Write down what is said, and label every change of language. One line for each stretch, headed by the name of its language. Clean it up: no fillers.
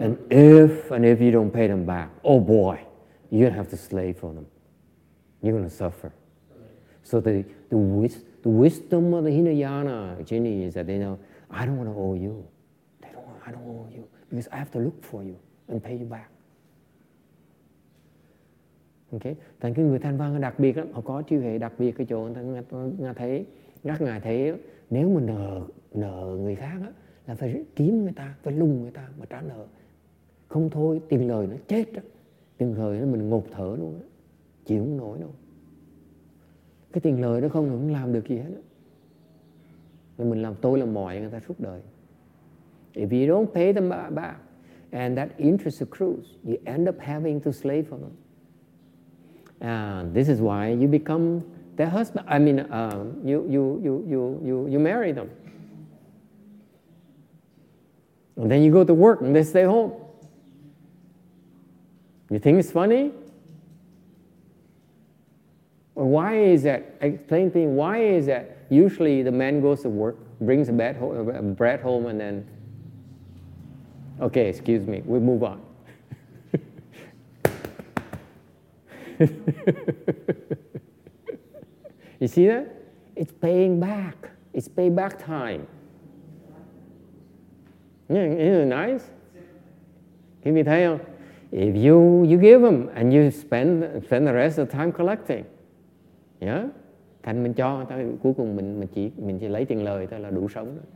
English: And if you don't pay them back, oh boy, you're going to have to slave for them. You're going to suffer. So the wisdom of the Hinayana genie is that they know, I don't want to owe you. I don't owe you because I have to look for you and pay you back. Okay?
Vietnamese: Thành cái người thanh văn đặc biệt lắm, họ có trí huệ đặc biệt cái chỗ ngài thấy, các ngài thấy nếu mà nợ người khác á là phải kiếm người ta, phải lùng người ta mà trả nợ. Không thôi tiền lời nó chết á. Tiền lời nó mình ngột thở luôn á. Chịu không nổi đâu. Cái tiền lời nó không làm được gì hết. Nên mình làm tôi làm mọi người ta suốt đời.
English: If you don't pay them back and that interest accrues, you end up having to slave for them. And this is why you become their husband. I mean, you marry them. And then you go to work and they stay home. You think it's funny? Why is that? Explain to me, why is that usually the man goes to work, brings a bread home, and then, okay, excuse me, we move on. You see that? It's paying back. It's payback time. Isn't it nice? Can you tell? If you give them and you spend the rest of the time collecting, yeah?
Vietnamese: Thành mình cho, cuối cùng mình chỉ lấy tiền lời thôi là đủ sống.